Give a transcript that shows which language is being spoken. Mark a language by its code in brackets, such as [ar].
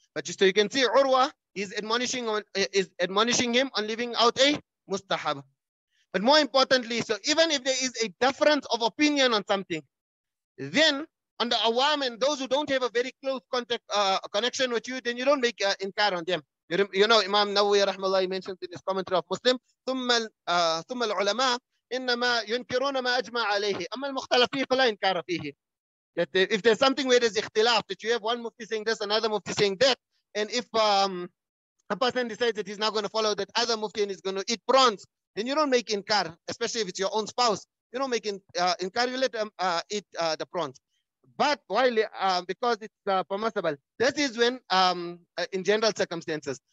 [en] But just so you can see, Urwah is admonishing him on leaving out a mustahab. But more importantly, so even if there is a difference of opinion on something, then on the awam and those who don't have a very close contact connection with you, then you don't make inkar on them. You know, Imam Nawawi rahmallah, he mentioned in his commentary of Muslim, [ar] ثم العلماء إنما ينكرون ما أجمع عليه أما المختلف فيه فلا إنكار فيه. [en] That if there's something where there's اختلاف, that you have one mufti saying this, another mufti saying that, and if a person decides that he's not going to follow that other mufti and he's going to eat prawns, then you don't make inkar, especially if it's your own spouse. You don't make inkar, you let them eat the prawns. But while because it's permissible, this is when in general circumstances.